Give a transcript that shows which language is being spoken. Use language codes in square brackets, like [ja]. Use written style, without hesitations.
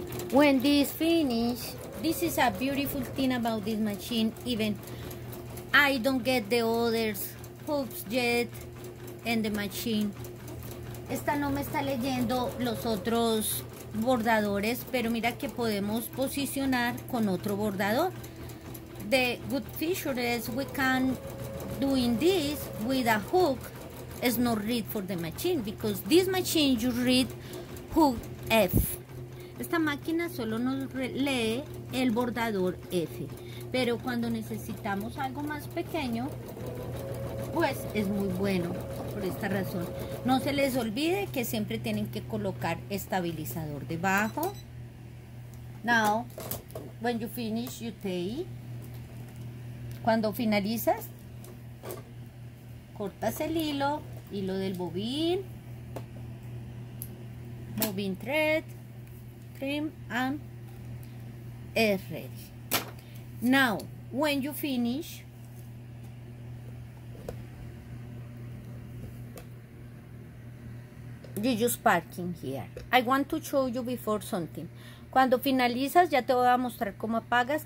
[en] When this finish, this is a beautiful thing about this machine. Even I don't get the others hoops yet in the machine. [es] Esta no me está leyendo los otros bordadores, pero mira que podemos posicionar con otro bordador. [en] The good feature is we can doing this with a hook. It's not read for the machine because this machine you read hook F. [es] Esta máquina solo nos lee el bordador F, pero cuando necesitamos algo más pequeño, pues es muy bueno por esta razón. No se les olvide que siempre tienen que colocar estabilizador debajo. [en] Now, when you finish, you take. [es] Cuando finalizas, cortas el hilo, hilo del bobín, [en] bobín thread. Trim and [es] es [en] ready. Now, when you finish, you just parking here. I want to show you before something. [es] Cuando finalizas, ya te voy a mostrar cómo apagas.